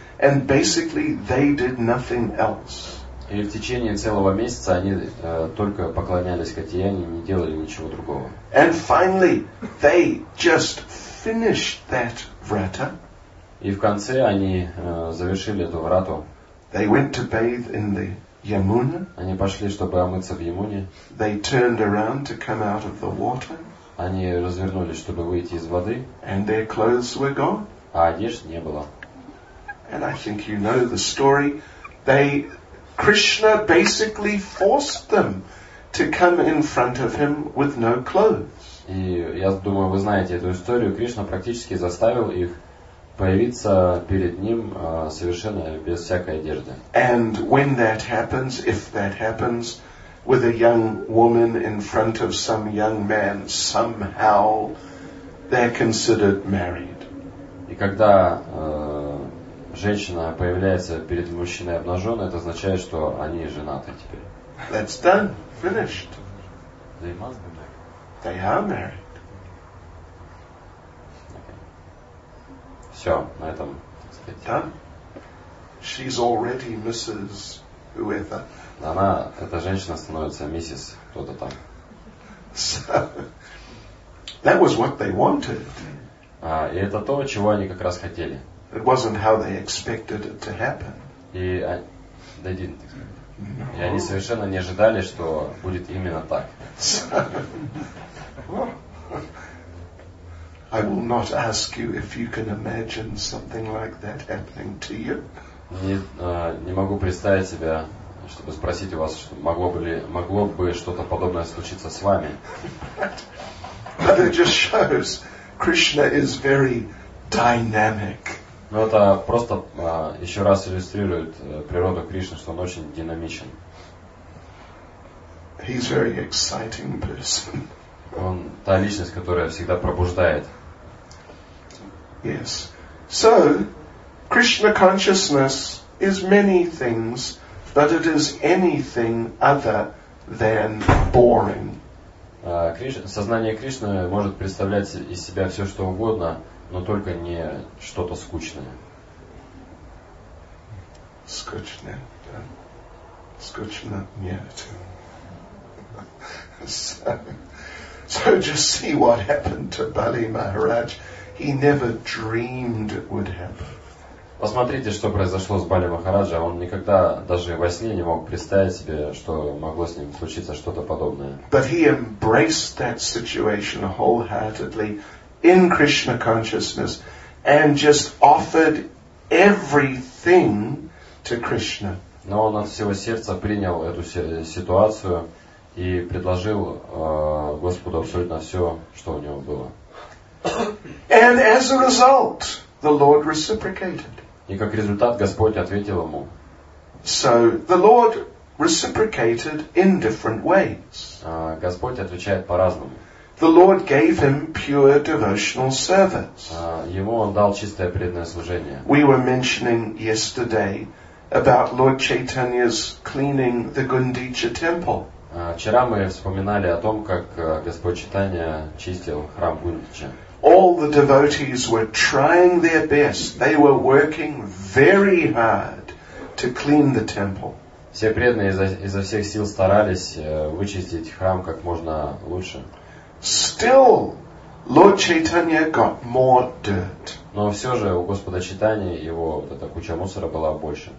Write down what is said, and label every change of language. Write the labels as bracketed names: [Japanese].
[English] And basically, they did nothing else. [Russian] И в течение целого месяца они только поклонялись Катьяяне, не делали ничего другого. [English] And finally, they just finished that vrata. [Russian] И в конце они завершили эту врату. [English] They went to bathe in the Yamuna. [Russian] Они пошли, чтобы омыться в Ямуне. [English] They turned around to come out of the water. [Russian] Они развернулись, чтобы выйти из воды. [English] And their clothes were gone. [Russian] А одежды не было. [English] And I think you know the story. Krishna basically forced them to come in front of him with no clothes. [Russian] И я думаю, вы знаете эту историю. Кришна практически заставил их появиться перед ним совершенно без всякой одежды. [English] And when that happens, if that happens with a young woman in front of some young man, somehow they're considered married. [Russian] И когда женщина появляется перед мужчиной обнаженной, это означает, что они женаты теперь. [English] That's done. Finished. They must be married. They are married. [Russian] Okay. Все, на этом, так сказать. [English] Done. She's already Mrs. Whoever. [Russian] Она, эта женщина становится миссис кто-то там. [English] So, that was what they wanted. [Russian] И это то, чего они как раз хотели. [English] It wasn't how they expected it to happen. They didn't expect it. [Russian] И они совершенно не ожидали, что будет именно так. [English] I will not ask you if you can imagine something like that happening to you. [Russian] Не могу представить себя, чтобы спросить у вас, могло бы что-то подобное случиться с вами. [English] But it just shows Krishna is very dynamic. [Russian] Но это просто еще раз иллюстрирует природу Кришны, что он очень динамичен. [English] He's very exciting person. [Russian] Он та личность, которая всегда пробуждает. [English] Yes. So, Krishna consciousness is many things, but it is anything other than boring. [Russian] Сознание Кришны может представлять из себя все, что угодно, но только не что-то скучное. Скучно, да. Скучно, нет. [English] So just see what happened to Bali Maharaj. He never dreamed it would happen. [Russian] Посмотрите, что произошло с Бали Махараджа. Он никогда даже во сне не мог представить себе, что могло с ним случиться что-то подобное. [English] But he embraced that situation wholeheartedly in Krishna consciousness and just offered everything to Krishna. [Russian] Но он от всего сердца принял эту ситуацию и предложил Господу абсолютно все, что у него было. [English] And as a result, the Lord reciprocated. [Russian] И как результат, Господь ответил ему. [English] So the Lord reciprocated in different ways. [Russian] Господь отвечает по-разному. [English] The Lord gave him pure devotional service. [Russian] Ему он дал чистое преданное служение. [English] We were mentioning yesterday about Lord Chaitanya's cleaning the Gundicha temple. [Russian] Вчера мы вспоминали о том, как Господь Чайтанья чистил храм Гундича. [English] All the devotees were trying their best. They were working very hard to clean the temple. [Russian] Все преданные изо всех сил старались вычистить храм как можно лучше. [English] Still, Lord Chaitanya got more dirt. [Russian] Но все же у Господа Чайтаньи его вот эта куча мусора была больше.